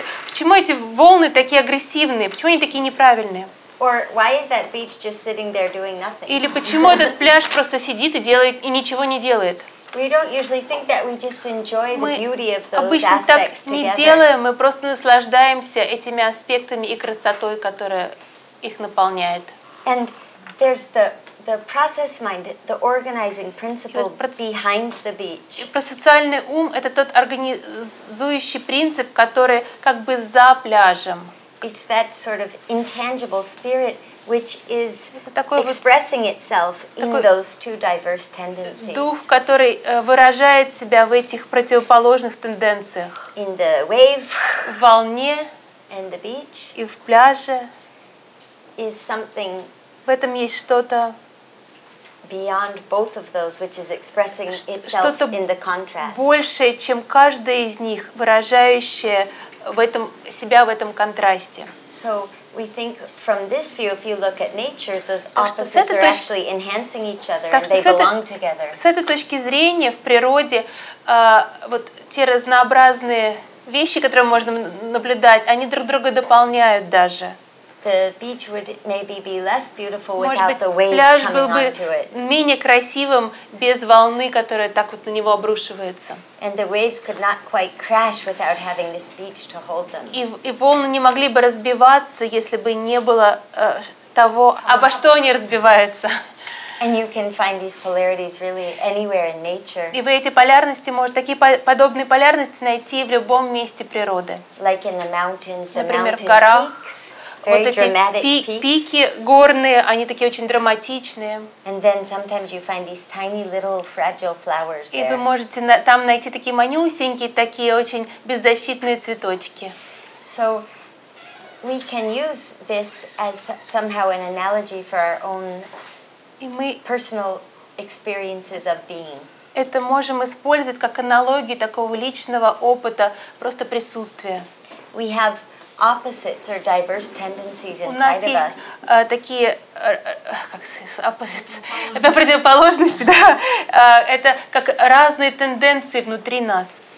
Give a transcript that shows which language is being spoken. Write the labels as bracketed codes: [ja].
[ru] Почему эти волны такие агрессивные? Почему они такие неправильные? [en] Or why is that beach just sitting there doing nothing? [ru] Или почему этот пляж просто сидит и делает и ничего не делает? [en] We don't usually think that we just enjoy the beauty of those aspects together. [ru] Мы обычно так не делаем, мы просто наслаждаемся этими аспектами и красотой, которая их наполняет. [en] And there's the process mind, the organizing principle behind the beach. [ru] Процессуальный ум это тот организующий принцип, который как бы за пляжем. [en] It's that sort of intangible spirit which is expressing itself in those two diverse tendencies. [ru] Дух, который выражает себя в этих противоположных тенденциях. [en] In the wave, [ru] в волне, [en] and the beach, [ru] и в пляже. [en] Is something [ru] в этом есть что-то [en] beyond both of those which is expressing itself in the contrast. [ru] Больше, чем каждая из них, выражающая в этом себя в этом контрасте. [en] So we think from this view if you look at nature those opposites are actually enhancing each other and they belong together. [ru] С этой точки зрения в природе вот те разнообразные вещи, которые мы можем наблюдать, они друг друга дополняют даже. [en] The beach would maybe be less beautiful without [ru] Может быть, [en] the waves [ru] пляж [en] coming [ru] был бы [en] onto it. [ru] Менее красивым без волны, которая так вот на него обрушивается. [en] And the waves could not quite crash without having this beach to hold them. [ru] И волны не могли бы разбиваться, если бы не было того, обо что они разбиваются. [en] And you can find these polarities really anywhere in nature. [ru] И вы эти полярности можете такие подобные полярности найти в любом месте природы. [en] Like in the mountains, the [ru] Например, [en] mountain [ru] в горах. [en] Peaks. [ru] Вот эти пики горные, они такие очень драматичные. [en] And then sometimes you find these tiny little fragile flowers there. [ru] И вы можете там найти такие манюсенькие, такие очень беззащитные цветочки. [en] So we can use this as somehow an analogy for our own personal experiences of being. [ru] Это можем использовать как аналогию такого личного опыта, просто присутствия. [en] We have opposites or diverse tendencies inside of us. [ru] У нас есть такие, как opposites, это противоположности, да? Это как разные тенденции внутри нас.